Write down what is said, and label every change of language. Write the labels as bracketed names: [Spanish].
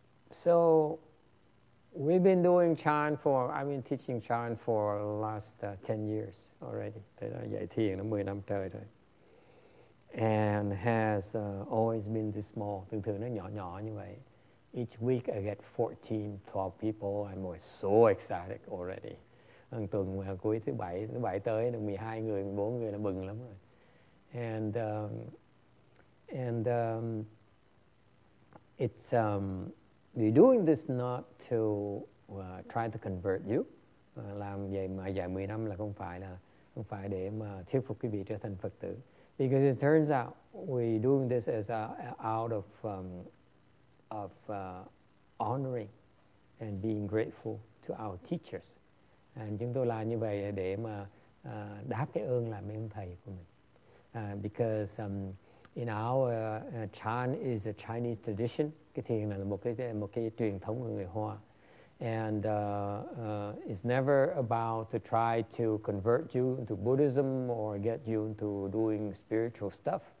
[English] So we've been doing Chan teaching Chan for the last 10 years already. [Vietnamese] Thầy đã dạy thiền 10 năm trời rồi. [English] And has always been this small. [Vietnamese] Thường thường nó nhỏ nhỏ như vậy. [English] Each week I get 14, 12 people. I'm always so excited already. [Vietnamese] Hằng tuần cuối thứ bảy tới, 12 người, 14 người là mừng lắm rồi. [English] We're doing this not to try to convert you. [Vietnamese] Làm vậy mà dài 10 năm là không phải để mà thuyết phục quý vị trở thành Phật tử. [English] Because it turns out we're doing this as out of honoring and being grateful to our teachers. [Vietnamese] chúng tôi làm như vậy để mà đáp cái ơn là mấy ông thầy của mình. [English] Because in our Chan is a Chinese tradition, [Vietnamese] cái thiền là một cái truyền thống của người Hoa, [English] and it's never about to try to convert you into Buddhism or get you into doing spiritual stuff.